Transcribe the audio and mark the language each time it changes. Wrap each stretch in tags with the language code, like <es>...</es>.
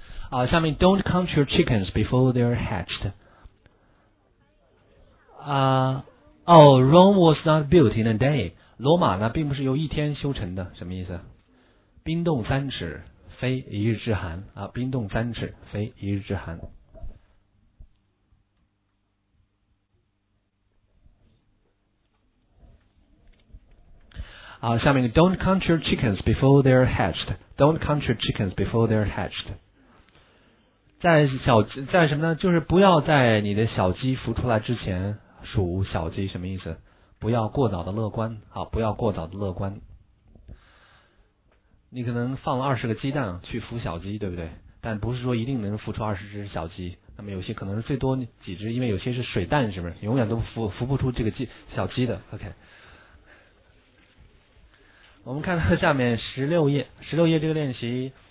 <zh>啊，下面</zh> <en>don't count your chickens before they're hatched。啊，哦 ，Rome was not built in a day。</en> <zh>罗马呢，并不是由一天修成的，什么意思？冰冻三尺，非一日之寒啊！冰冻三尺，非一日之寒。啊，下面</zh> <en>don't count your chickens before they're hatched。 Don't count your chickens before they're hatched。</en> <zh>在小在什么呢？就是不要在你的小鸡孵出来之前数小鸡，什么意思？不要过早的乐观，好，不要过早的乐观。你可能放了20个鸡蛋去孵小鸡，对不对？但不是说一定能孵出20只小鸡，那么有些可能是最多几只，因为有些是水蛋，是不是永远都孵不出这个鸡小鸡的 ？OK， 我们看到下面16页这个练习。</zh>